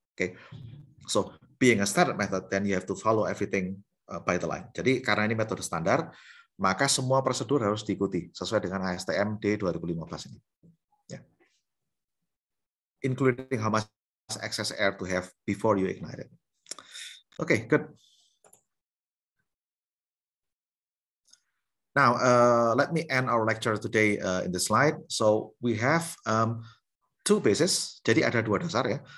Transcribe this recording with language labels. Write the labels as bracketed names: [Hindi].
[English] Okay, so being a standard method, then you have to follow everything by the line. [Indonesian] Jadi karena ini metode standar, maka semua prosedur harus diikuti sesuai dengan ASTM D2015 ini. [English] Yeah, including how much excess air to have before you ignite it. Okay, good. Now, let me end our lecture today in this slide. So we have two bases. [Indonesian] Jadi ada dua dasar ya.